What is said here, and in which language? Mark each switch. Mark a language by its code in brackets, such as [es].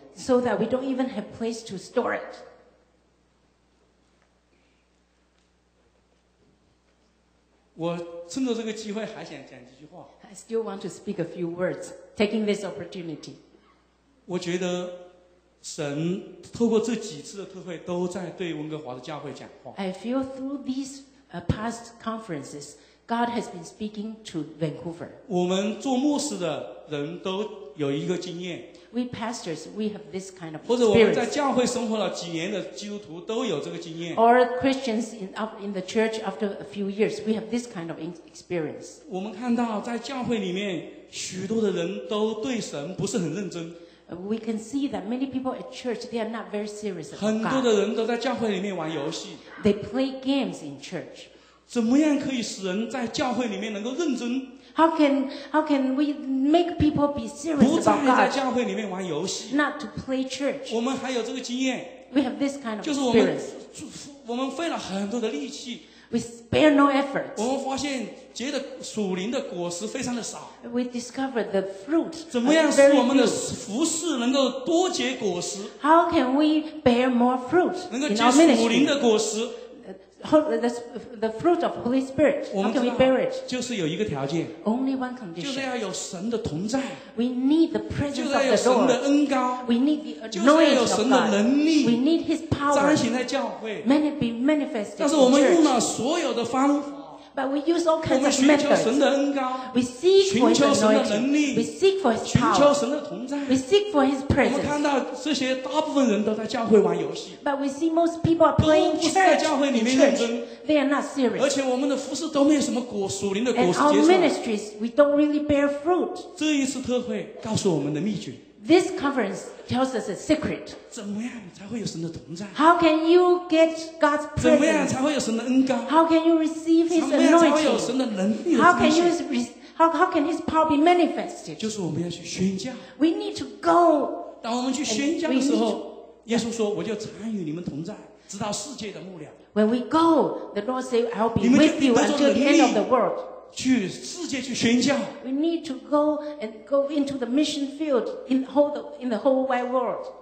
[en] So that we don't even have place to store it. [zh] 我趁着这个机会还想讲几句话。 [en] I still want to speak a few words, taking this opportunity. [zh] 我觉得神透过这几次的特会都在对温哥华的教会讲话。 [en] I feel through these past conferences, God has been speaking to Vancouver. [zh] 我们做牧师的人都有一个经验。 [en] We pastors, we have this kind of experience. [zh] 或者我们在教会生活了几年的基督徒都有这个经验。 [en] Or Christians in the church after a few years, we have this kind of experience. [zh] 我们看到在教会里面许多的人都对神不是很认真。 [en] We can see that many people at church, they are not very serious about God. [zh] 很多的人都在教会里面玩游戏。 [en] They play games in church. [zh] 怎么样可以使人在教会里面能够认真 [en] How can we make people be serious about God? [zh] 不再在教会里面玩游戏。 [en] Not to play church. [zh] 我们还有这个经验。 [en] We have this kind of experience. [zh] 就是我们费了很多的力气。 [en] We spare no effort. [zh] 我们发现结的属灵的果实非常的少。 [en] We discover the fruit. [zh] 怎么样使我们的服事能够多结果实 [en] ？How can we bear more fruit? [zh] 能够结属灵的果实。 [en] The fruit of Holy Spirit, how can we bear it? [zh] 就是有一个条件 [en] Only one condition. [zh] 就是要有神的同在 [en] We need the presence of the Lord. [zh] 就是要有神的恩膏 [en] We need the anointing of God. [zh] 就是要有神的能力 [en] We need his power. [zh] 彰显在教会 [en] Many be manifested in church. [zh] 但是我们用了所有的方法 [en] But we use all kinds of methods. [zh] 我们寻求神的恩膏 [en] We seek for his anointing. We seek for his power. [zh] 寻求神的同在 [en] We seek for his presence. [zh] 我们看到这些大部分人都在教会玩游戏 [en] But we see most people are playing church. [zh] 都不是在教会里面认真 [en] They are not serious. [zh] 而且我们的服事都没有什么果属灵的果实结出来。 [en] And our ministries, we don't really bear fruit. [zh] 这一次特会告诉我们的秘诀。 [en] This conference tells us a secret. [zh] 怎么样才会有神的同在 [en] ？How can you get God's presence? [zh] 怎么样才会有神的恩膏 [en] ？How can you receive His anointing? [zh] 怎么样才会有神的能力 [en] ？How can you how can His power be manifested? [zh] 就是我们要去宣教。 [en] We need to go. [zh] 当我们去宣教的时候，耶稣说：“我就参与你们同在，直到世界的末了。” [en] When we go, the Lord says, I'll be with you until the end of the world. [zh] 去世界去宣教。 [en] We need to go and go into the mission field in the whole wide world.